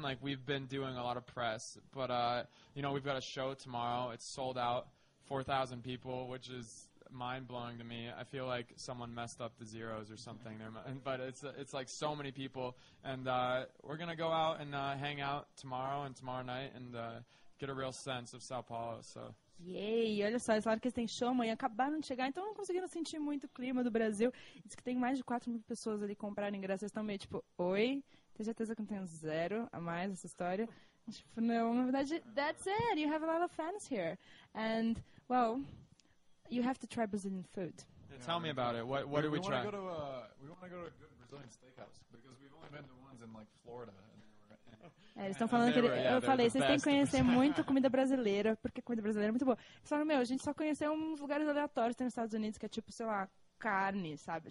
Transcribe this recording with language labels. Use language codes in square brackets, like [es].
[en] Like, we've been doing a lot of press. But, you know, we've got a show tomorrow. It's sold out. 4,000 people, which is mind-blowing to me. I feel like someone messed up the zeros or something. But it's like so many people. And we're going to go out and hang out tomorrow and tomorrow night and get a real sense of Sao Paulo. So. Yay! [pt] Olha só, eles falaram que eles têm show amanhã. Acabaram de chegar, então não conseguiram sentir muito o clima do Brasil. Diz que tem mais de 4 mil pessoas ali comprando ingressos. Eles estão meio tipo, oi? Tenho certeza que não tem zero a mais essa história. Tipo, não, na verdade, [en] that's it. You have a lot of fans here. And, well, you have to try Brazilian food. Yeah, tell me about it. What do we try? We want to go to a good Brazilian steakhouse because we've only been to ones in, like, Florida. [pt] Eles estão falando falei, vocês têm que conhecer muito comida brasileira, porque comida brasileira é muito boa. Eles falaram, a gente só conheceu uns lugares aleatórios nos Estados Unidos, que é tipo, sei lá, carne, sabe?